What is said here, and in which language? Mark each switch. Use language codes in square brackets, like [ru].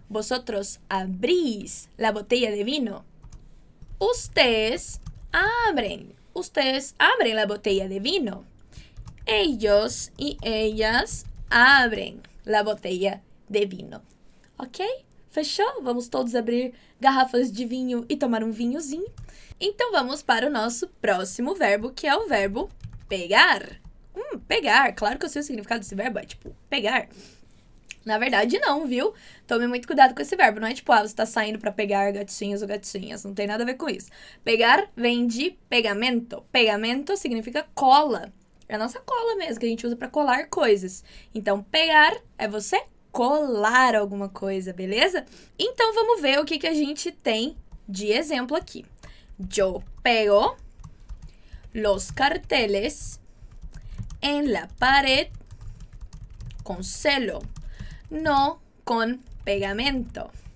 [es] Vosotros abrís la botella de vino. Ustedes abren la botella de vino. Ellos y ellas abren la botella de vino. [pt] Ok? Fechou? Vamos todos abrir garrafas de vinho e tomar um vinhozinho. Então vamos para o nosso próximo verbo, que é o verbo pegar. Pegar. Claro que eu sei o significado desse verbo, é tipo pegar. Na verdade, não, viu? Tome muito cuidado com esse verbo. Não é tipo, você tá saindo pra pegar gatinhos ou gatinhas. Não tem nada a ver com isso. Pegar vem de pegamento. Pegamento significa cola. É a nossa cola mesmo, que a gente usa pra colar coisas. Então, pegar é você colar alguma coisa, beleza? Então, vamos ver o que a gente tem de exemplo aqui. [es] Yo pego los carteles en la pared con celo, no con pegamento.